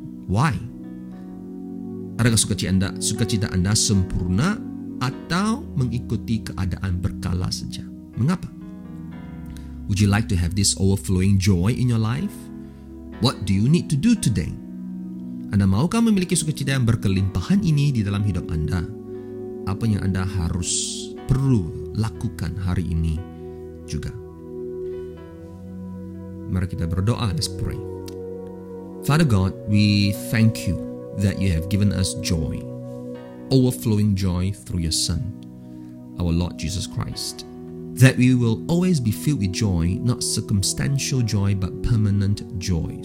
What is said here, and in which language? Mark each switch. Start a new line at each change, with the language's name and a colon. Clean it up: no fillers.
Indonesian: Why? Adakah sukacita Anda sempurna atau mengikuti keadaan berkala saja? Mengapa?
English: Would you like to have this overflowing joy in your life? What do you need to do today?
Indonesian: Anda maukah memiliki sukacita yang berkelimpahan ini di dalam hidup Anda? Apa yang Anda harus perlu lakukan hari ini juga? Mari kita berdoa.
English: Let's pray. Father God, we thank you that you have given us joy, overflowing joy through your Son, our Lord Jesus Christ. That we will always be filled with joy, not circumstantial joy, but permanent joy.